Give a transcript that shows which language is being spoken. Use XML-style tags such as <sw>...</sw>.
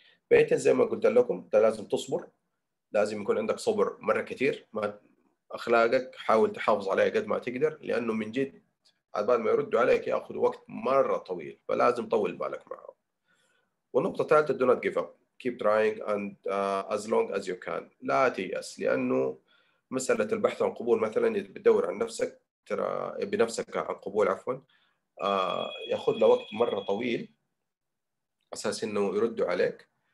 <ar>بيت زي ما قلت لكم ده لازم تصبر، لازم يكون عندك صبر مرة كتير، ما أخلاقك حاول تحافظ عليها قد ما تقدر، لأنه من جد بعد ما يردوا عليك يأخذ وقت مرة طويل، فلازم طول بالك معه. والنقطة الثالثة</ar> <en>do not give up، keep trying and as long as you can.</en> <ar>لا تيأس، لأنه مسألة البحث عن قبول مثلاً بتدور عن نفسك، ترى بنفسك عن قبول عفواً، يأخذ لوقت مرة طويل أساس إنه يردوا عليك.</ar>